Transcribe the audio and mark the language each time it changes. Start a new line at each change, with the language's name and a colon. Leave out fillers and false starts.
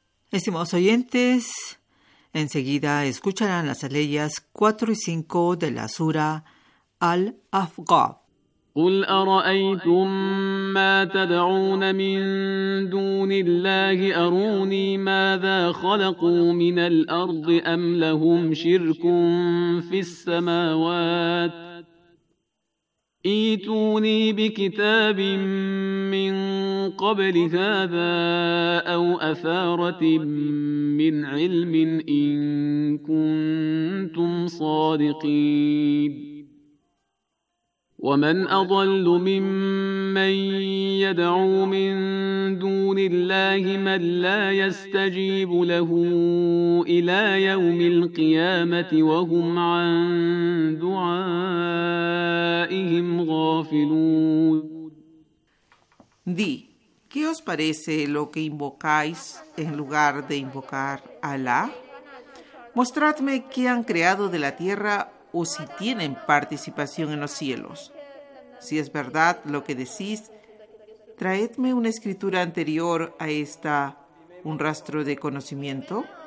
Spanish: Estimados oyentes, enseguida escucharán las aleyas 4 y 5 de la sura Al-Ahqaf.
Arabic: قل أرأيتم ما تدعون من دون الله أروني ماذا خلقوا من الأرض أم لهم شرك في السماوات ائتوني بكتاب من قبل هذا أو أثارة من علم إن كنتم صادقين ومن أضل ممن يدعو من دون الله من لا يستجيب له إلى يوم القيامة وهم عن دعائهم غافلون.
Spanish: Di, ¿qué os parece lo que invocáis en lugar de invocar a Alá? Mostradme qué han creado de la tierra o si tienen participación en los cielos. Si es verdad lo que decís, traedme una escritura anterior a esta, un rastro de conocimiento.